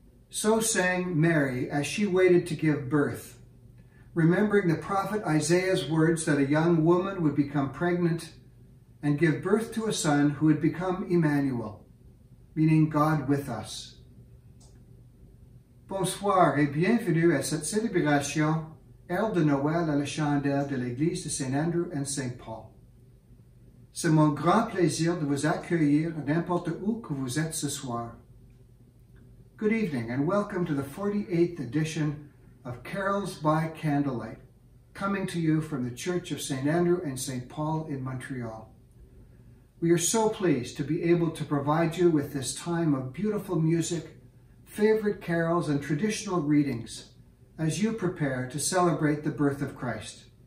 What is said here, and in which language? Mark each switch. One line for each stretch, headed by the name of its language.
English: So sang Mary as she waited to give birth, remembering the prophet Isaiah's words that a young woman would become pregnant and give birth to a son who would become Emmanuel, meaning God with us.
French: Bonsoir et bienvenue à cette célébration, elle de Noël à la chandelle de l'église de Saint-Andrew and Saint-Paul. C'est mon grand plaisir de vous accueillir n'importe où que vous êtes ce soir.
English: Good evening and welcome to the 48th edition of Carols by Candlelight, coming to you from the Church of St. Andrew and St. Paul in Montreal. We are so pleased to be able to provide you with this time of beautiful music, favorite carols, and traditional readings as you prepare to celebrate the birth of Christ.